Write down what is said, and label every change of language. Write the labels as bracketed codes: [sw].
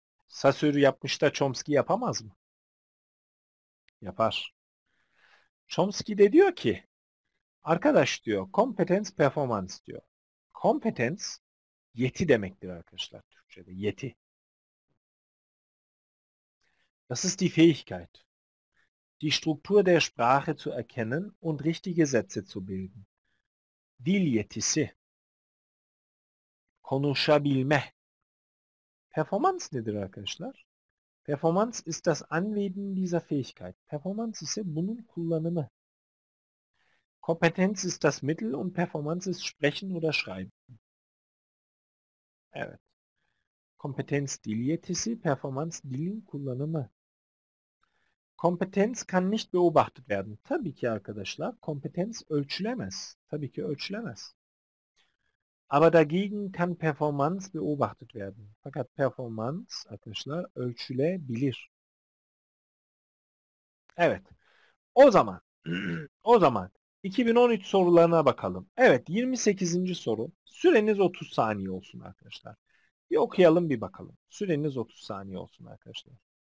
[tr] Saussure yapmış da Chomsky yapamaz mı? Yapar. Chomsky de diyor ki, arkadaş diyor, competence performance diyor. Competence yeti demektir arkadaşlar Türkçe'de. Yeti. [de] Das ist die Fähigkeit, die Struktur der Sprache zu erkennen und richtige Sätze zu bilden. [tr] Dil yetisi. Konuşabilme. Performans nedir arkadaşlar? [de] Performans ist das Anwenden dieser Fähigkeit. [tr] Performans ise bunun kullanımı. [de] Kompetenz ist das Mittel und Performans ist Sprechen oder Schreiben. [tr] Evet. Kompetenz dil yetisi, performans dilin kullanımı. [de] Kompetenz kann nicht beobachtet werden. [tr] Tabii ki arkadaşlar, kompetenz ölçülemez. Tabii ki ölçülemez. [de] Aber dagegen kann Performance beobachtet werden. [tr] Fakat performans arkadaşlar ölçülebilir. Evet. O zaman 2013 sorularına bakalım. Evet, 28. soru. Süreniz 30 saniye olsun arkadaşlar. Bir okuyalım bir bakalım. Süreniz 30 saniye olsun arkadaşlar.